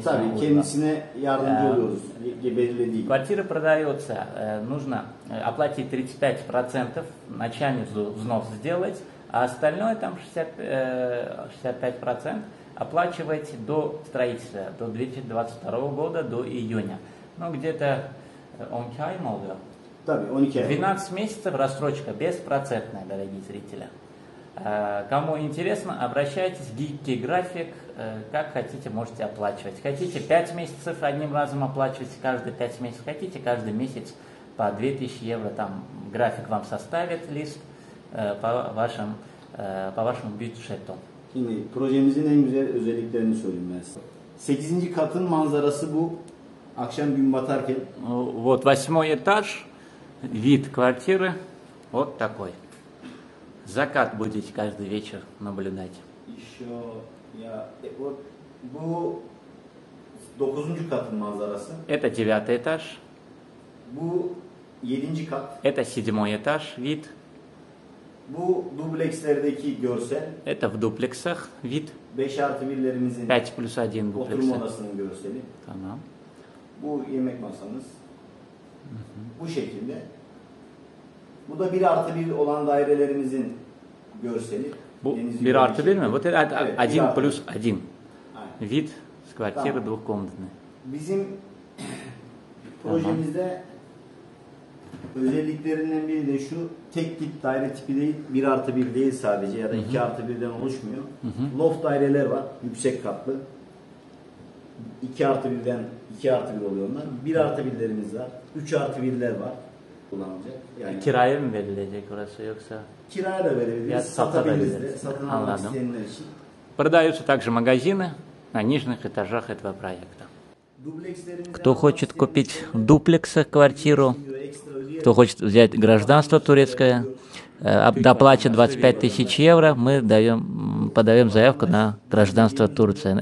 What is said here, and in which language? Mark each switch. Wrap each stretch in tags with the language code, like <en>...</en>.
<tr>tabii, kendisine yardımcı oluyoruz. Belirlediği.</tr> <ru>Квартира продается, нужно оплатить 35% начальный взнос сделать, а остальное там 65% оплачивать до строительства, до 2022 года, до июня. Ну где-то 12 месяцев.</ru> <tr>Tabii, 12</tr> <ru>месяцев. 12 месяцев рассрочка беспроцентная, дорогие зрители. Кому интересно, обращайтесь, гибкий график, как хотите, можете оплачивать. Хотите 5 месяцев одним разом оплачивать, каждые 5 месяцев, хотите каждый месяц по 2000 евро, там график вам составит лист по вашему бюджету.</ru> <tr>Şimdi, projemizin en güzel özelliklerini söyleyeyim ben size. 8. katın manzarası bu, akşam gün batarken.</tr> <ru>Вот, 8 этаж, вид квартиры, вот такой. Закат будете каждый вечер наблюдать. Еще я... Вот, бу,</ru> <tr>Dokuzuncu katın manzarası.</tr> <ru>Это девятый этаж.</ru> <tr>Bu yedinci kat.</tr> <ru>Это седьмой этаж, вид.</ru> <tr>Bu duplekslerdeki görsel.</tr> <ru>Это в дуплексах, вид.</ru> <tr>5 artı 1'lerimizin. 5 plus 1 dupleksi. Oturma odasının görseli. Tamam. Bu yemek masamız. Bu şekilde. Bu da 1 artı 1 olan dairelerimizin görseli. Bu 1 artı 1 mi? Bu da 1 plus 1.</tr> <ru>Вид с квартиры двухкомнатной.</ru> <tr>Bizim projemizde özelliklerinden biri de şu, tek tip daire tipi değil, 1 artı 1 değil sadece ya da 2 artı 1'den oluşmuyor. Loft daireler var, yüksek katlı. 2 artı 1'den 2 artı 1 oluyor onlar. 1 artı 1'lerimiz var, 3 artı 1'ler var kullanılacak. Yani kiraya mı verilecek orası yoksa? Kiraya da verebiliriz, satabiliriz de, satın almak isteyenler için.</tr> <ru>Продаются также магазины на нижних этажах этого проекта. Кто хочет купить в дуплексах квартиру, кто хочет взять гражданство турецкое, доплачивает 25 тысяч евро, мы даем, подаем заявку на гражданство Турции.</ru>